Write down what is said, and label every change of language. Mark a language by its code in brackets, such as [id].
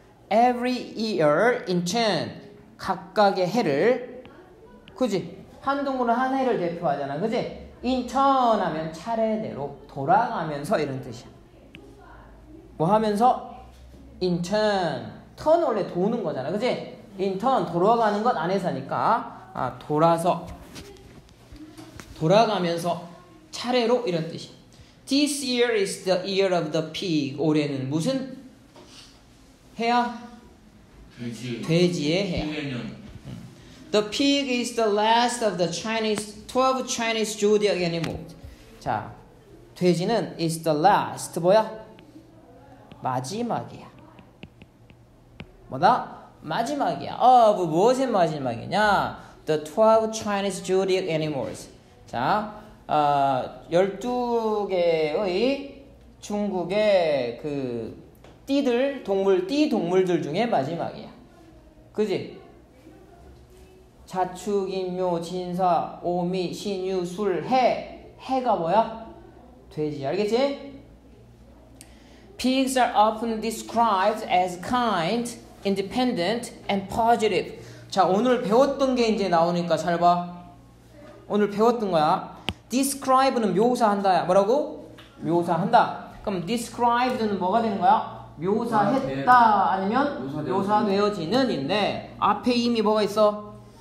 [en] Every year in turn, [ko] 각각의 해를, 그지? 한 동물은 한 해를 대표하잖아, 그지? [en] In turn [ko] 하면 차례대로 돌아가면서 이런 뜻이야. 뭐 하면서? [en] In turn, turn [ko] 원래 도는 거잖아, 그지? [en] In turn [ko] 돌아가는 건 안에서니까, 아 돌아서, 돌아가면서 차례로 이런 뜻이야. [en] This year is the year of the pig. [ko] 올해는 무슨 해야? 돼지. 돼지의 해야. [en] The pig is the last of the Chinese 12 Chinese zodiac animals. [ko] 자, 돼지는 [en] is the last [ko] 뭐야? 마지막이야. 뭐다? 마지막이야. [en] Of [ko] 무엇의 마지막이냐? [en] The 12 Chinese zodiac animals. [ko] 자. 12개의 중국의 그 띠들, 동물, 띠 동물들 중에 마지막이야. 그지? 자축, 인묘, 진사, 오미, 신유, 술, 해. 해가 뭐야? 돼지. 알겠지? [en] Pigs are often described as kind, independent, and positive. [ko] 자, 오늘 배웠던 게 이제 나오니까 잘 봐. 오늘 배웠던 거야. Describe는 묘사한다. 뭐라고? 묘사한다. 그럼 Described는 뭐가 되는 거야? 묘사했다. 아니면 묘사되어지는인데 앞에 이미 뭐가 있어?